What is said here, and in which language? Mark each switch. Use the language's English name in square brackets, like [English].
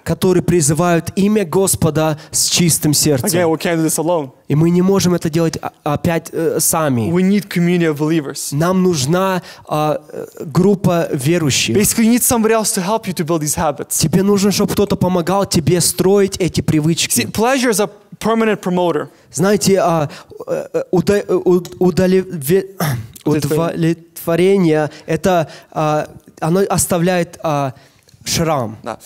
[Russian] которые призывают имя Господа с чистым сердцем. [English] Again, we can't do this alone. [Russian] И мы не можем это делать опять сами. [English] We need community of believers. [Russian] Нам нужна группа верующих. [English] Basically, you need somebody else to help you to build these habits. [Russian] Тебе нужно, чтобы кто-то помогал тебе строить эти привычки. [English] See, pleasure is a permanent promoter. [Russian] Знаете, удовлетворение это оно оставляет шрам.